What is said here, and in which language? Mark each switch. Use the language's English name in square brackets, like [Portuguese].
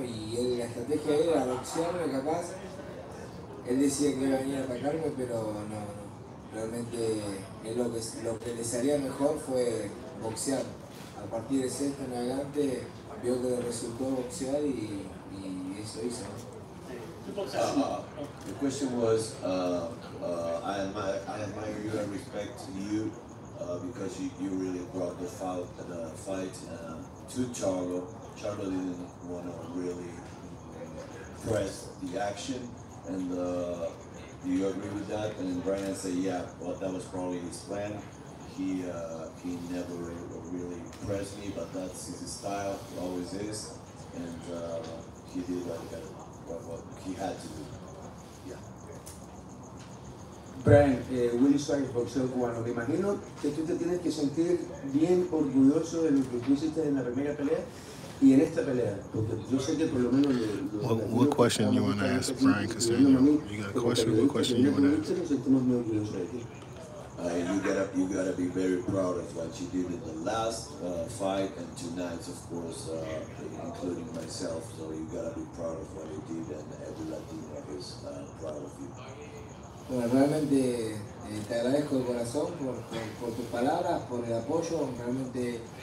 [Spanish] Y él, la estrategia de él, la opción, capaz, él decía que iba a venir a atacarme, pero no. Realmente lo que le salía mejor fue boxear. A partir de sexto en adelante, vio que le resultó boxear y eso hizo. [English] The question was, I admire you and respect you because you really brought the fight to Charlo. Charlo didn't want to really press the action and do you agree with that? And then Brian said, yeah, well, that was probably his plan. He never really pressed me, but that's his style, he always is. And he did what he had to do. Yeah. [Spanish] Brian, Willie Suárez, boxeo cubano. Me imagino que tú te tienes que sentir bien orgulloso de lo que tú hiciste en la primera pelea. Y en esta pelea, porque yo sé que por lo menos... [English] What question you want to ask Brian Castaño? What question you want to ask? You gotta be very proud of what you did in the last fight and two nights, of course, including myself. So you gotta be proud of what you did and every Latino is proud of you. [Spanish] Bueno, realmente te agradezco de corazón por tus palabras, por el apoyo, realmente...